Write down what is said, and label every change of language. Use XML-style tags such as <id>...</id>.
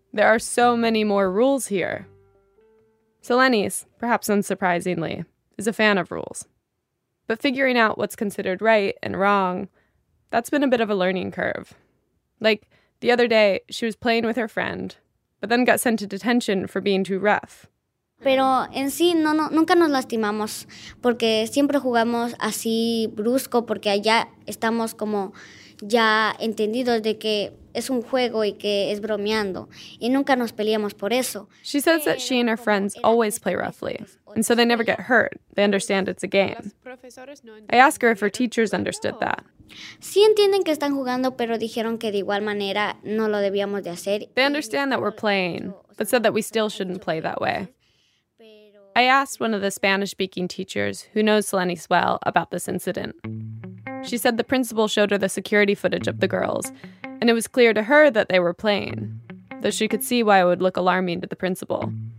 <en>There are so many more rules here. Selenis, perhaps unsurprisingly, is a fan of rules. But figuring out what's considered right and wrong, that's been a bit of a learning curve. Like, the other day, she was playing with her friend, but then got sent to detention for being too rough.</en> <es>Pero en sí, nunca nos lastimamos, porque siempre jugamos así brusco, porque allá estamos como ya entendidos de que es un juego y que es bromeando, y nunca nos peleamos por eso.</es> <en>She says that she and her friends always play roughly, and so they never get hurt. They understand it's a game. I ask her if her teachers understood that.</en> <es>Sí entienden que están jugando, pero dijeron que de igual manera no lo debíamos de hacer.</es> <en>They understand that we're playing, but said that we still shouldn't play that way. I asked one of the Spanish-speaking teachers who knows Selenis well about this incident. She said the principal showed her the security footage of the girls, and it was clear to her that they were playing, though she could see why it would look alarming to the principal.</en>